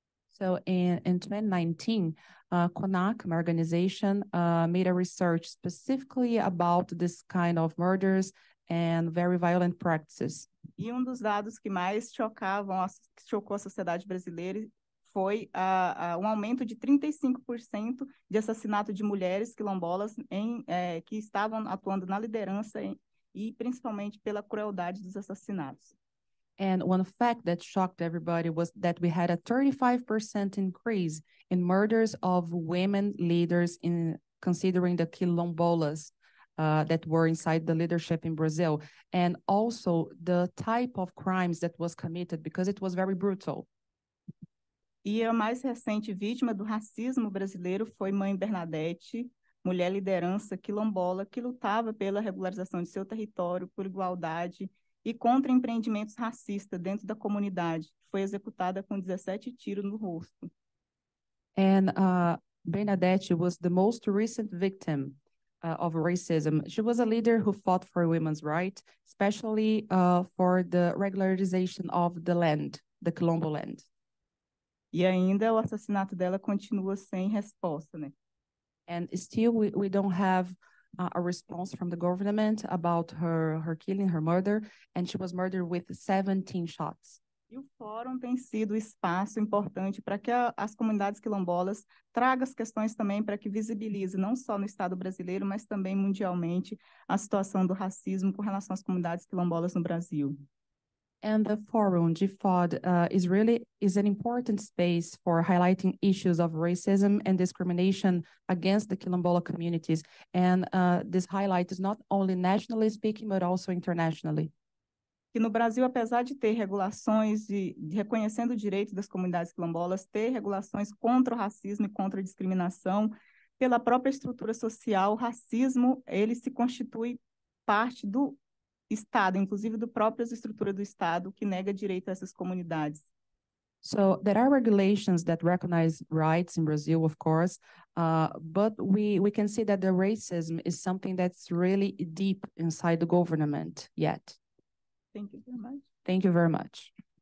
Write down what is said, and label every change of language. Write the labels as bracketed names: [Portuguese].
[English] So in 2019, CONAC, my organization, made a research specifically about this kind of murders and very violent practices. [Portuguese] E dos dados que mais chocou a sociedade brasileira foi um aumento de 35% de assassinato de mulheres quilombolas que estavam atuando na liderança e principalmente pela crueldade dos assassinatos. [English] And one fact that shocked everybody was that we had a 35% increase in murders of women leaders in considering the quilombolas that were inside the leadership in Brazil. And also the type of crimes that was committed because it was very brutal. [Portuguese] E a mais recente vítima do racismo brasileiro foi Mãe Bernadette, mulher liderança quilombola que lutava pela regularização de seu território, por igualdade e contra empreendimentos racistas dentro da comunidade, que foi executada com 17 tiros no rosto. [English] And Bernadette was the most recent victim of racism. She was a leader who fought for women's rights, especially for the regularization of the land, the Quilombo land. [Portuguese] E ainda o assassinato dela continua sem resposta, né? [English] And still we don't have a response from the government about her killing, her murder, and she was murdered with 17 shots. [Portuguese] E o fórum tem sido espaço importante para que as comunidades quilombolas tragam as questões também para que visibilize não só no Estado brasileiro, mas também mundialmente a situação do racismo com relação às comunidades quilombolas no Brasil. [English] And the forum, GFOD, is an important space for highlighting issues of racism and discrimination against the Quilombola communities. And this highlight is not only nationally speaking, but also internationally. [Portuguese] Que no Brasil, apesar de ter regulações de reconhecendo o direito das comunidades quilombolas, ter regulações contra o racismo e contra a discriminação, pela própria estrutura social, o racismo, ele se constitui parte do Estado, inclusive do próprio estrutura do Estado, que nega direito a essas comunidades. [English] So, there are regulations that recognize rights in Brazil, of course, but we can see that the racism is something that's really deep inside the government yet. Thank you very much. Thank you very much.